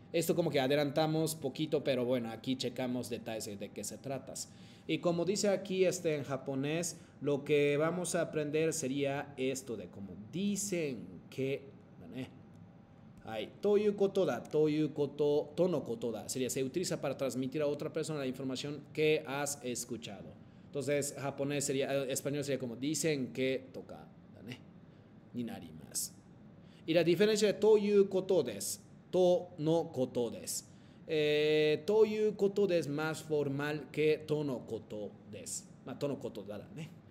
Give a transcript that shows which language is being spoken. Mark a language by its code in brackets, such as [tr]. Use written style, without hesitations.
[es] Esto como que adelantamos poquito, pero bueno, aquí checamos detalles de qué se trata. Y como dice aquí este en japonés, lo que vamos a aprender sería esto de como dicen que, ¿vale? [ja] Ay, ということだ, ということ, とのことだ. [es] Sería, se utiliza para transmitir a otra persona la información que has escuchado. Entonces, japonés sería, español sería como dicen que toca, ¿vale? [ja] Ni narimasu. [es] Y la diferencia de [ja] ということです, とのことです. [es] ということです más formal que とのことです. [ja] まあ、とのことだ, ¿vale?